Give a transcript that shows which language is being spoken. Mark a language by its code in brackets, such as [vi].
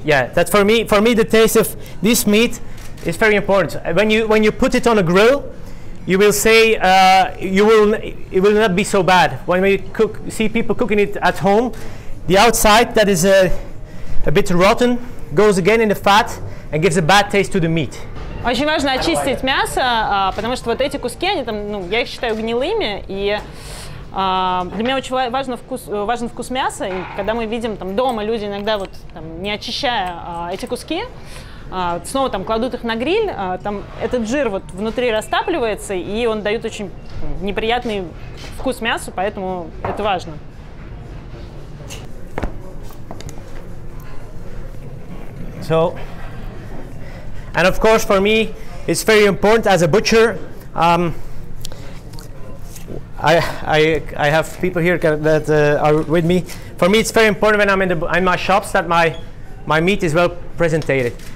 [en] Yeah, that's for me the taste of this meat is very important. When you put it on a grill. You will say it will not be so bad. When we cook, see people cooking it at home, the outside that is a bit rotten goes again in the fat and gives a bad taste to the meat. [ru] Очень важно очистить мясо, потому что вот эти куски, они там, ну, я их считаю гнилыми, и для меня очень важен вкус мяса, и когда мы видим там дома люди иногда вот там не очищая эти куски. Снова там кладут их на гриль, там этот жир вот внутри растапливается, и он дает очень неприятный вкус мясу, поэтому это важно. [en] So, and of course for me it's very important as a butcher. I have people here that are with me. For me it's very important when I'm in my shops that my meat is well presented.